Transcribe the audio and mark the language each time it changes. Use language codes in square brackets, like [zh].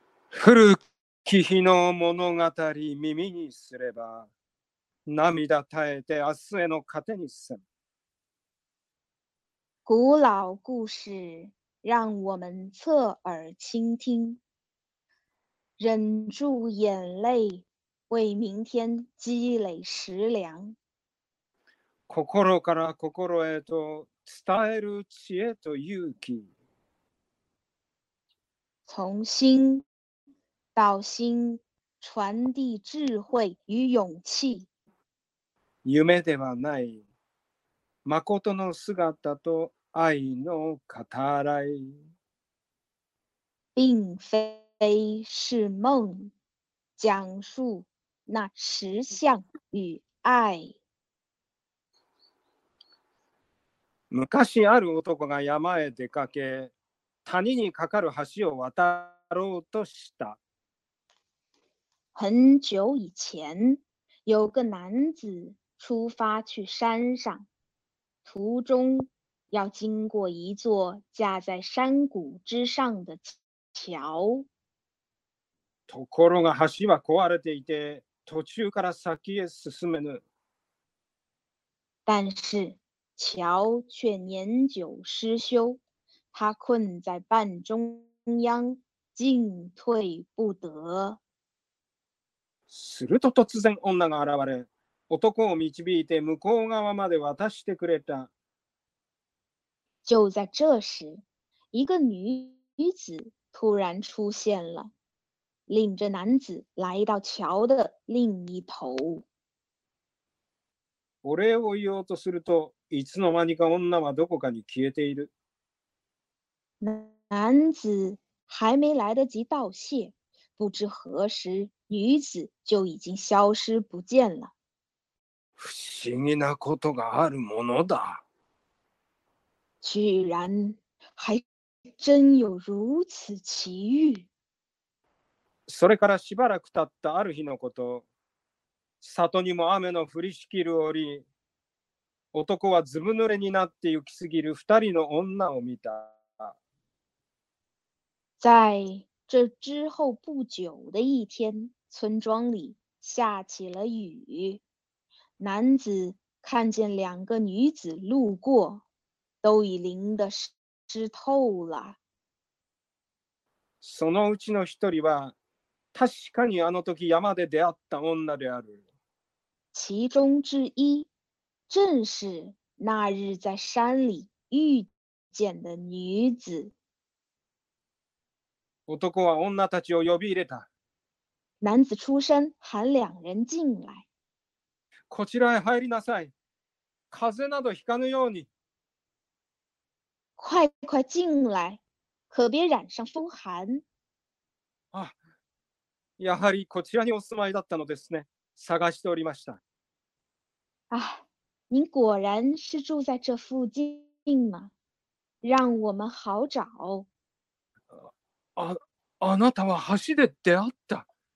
[ja] 古き日の物語耳にすれば、涙耐えて明日への糧にせん。 [zh] 古老故事让我们侧耳倾听，忍住眼泪，为明天积累食粮。 [ja] 心から心へと伝える知恵と勇気。 [zh] 从心到心，传递智慧与勇气。 [ja] 夢ではない、真の姿と。愛の語らい [zh] 并非是梦，讲述那实相与爱。 [ja] 昔ある男が山へ出かけ、谷にかかる橋を渡ろうとした。 [zh] 很久以前，有个男子出发去山上，途中。要经过一座架在山谷之上的桥。 [ja] ところが橋は壊れていて、途中から先へ進めぬ。 [zh] 但是桥却年久失修，他困在半中央，进退不得。 [ja] すると突然女が現れ、男を導いて向こう側まで渡してくれた。 [zh] 就在这时，一个女子突然出现了，领着男子来到桥的另一头。 [ja] お礼を言おうとすると、いつの間にか女はどこかに消えている。 [zh] 男子还没来得及道谢，不知何时女子就已经消失不见了。 [ja] 不思議なことがあるものだ。 [zh] 居然还真有如此奇遇。 [ja] それからしばらく経ったある日のこと、里にも雨の降りしきる折、男はずぶ濡れになって行き過ぎる二人の女を見た。 [zh] 在这之后不久的一天，村庄里下起了雨，男子看见两个女子路过。都已淋得湿透了。 [ja] そのうちの一人は確かにあの時山で出会った女である。 [zh] 其中之一正是那日在山里遇见的女子。 [ja] 男は女たちを呼び入れた。 [zh] 男子出身喊两人进来。 [ja] こちらへ入りなさい。風邪などひかぬように。 [zh] 快快进来，可别染上风寒。 [ja] あ、やはりこちらにお住まいだったのですね。探しておりました。 [zh] 啊，您果然是住在这附近嘛，让我们好找。 [ja] あなたは橋で出会った。